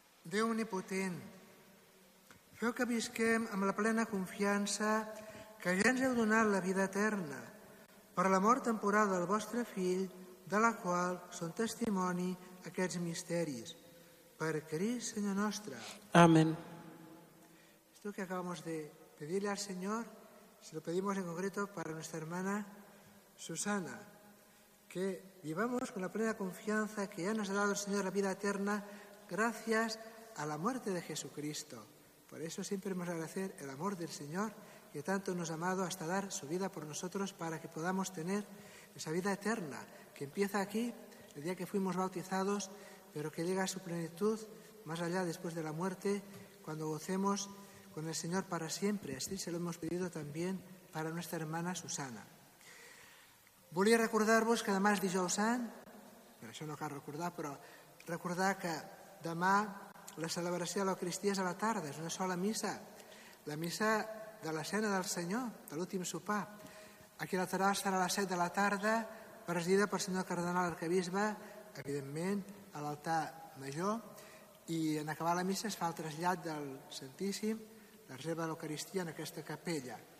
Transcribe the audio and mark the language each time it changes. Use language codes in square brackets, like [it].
[ca] Déu omnipotent, feu que visquem amb la plena confiança que ja ens heu donat la vida eterna per la mort temporal del vostre fill, de la qual són testimoni aquests misteris. Per Crist, Senyor nostre. Amén. [es] Esto que acabamos de pedirle al Señor, se lo pedimos en concreto para nuestra hermana Susana, que vivamos con la plena confianza que ya nos ha dado el Señor la vida eterna gracias a la muerte de Jesucristo. Por eso siempre hemos de agradecer el amor del Señor, que tanto nos ha amado hasta dar su vida por nosotros para que podamos tener esa vida eterna, que empieza aquí, el día que fuimos bautizados, pero que llega a su plenitud más allá después de la muerte, cuando gocemos con el Señor para siempre. Así se lo hemos pedido también para nuestra hermana Susana. [ca] Volia recordar-vos que demà és dijous sant, per això no cal recordar, però recordar que demà la celebració de l'Eucaristia és a la tarda, és una sola missa, la missa de la cena del Senyor, de l'últim sopar. Aquí a la Terrassa serà a les 7 de la tarda, presidida pel senyor cardenal arcabisbe, evidentment, a l'altar major, i en acabar la missa es fa el trasllat del Santíssim, la reserva de l'Eucaristia en aquesta capella.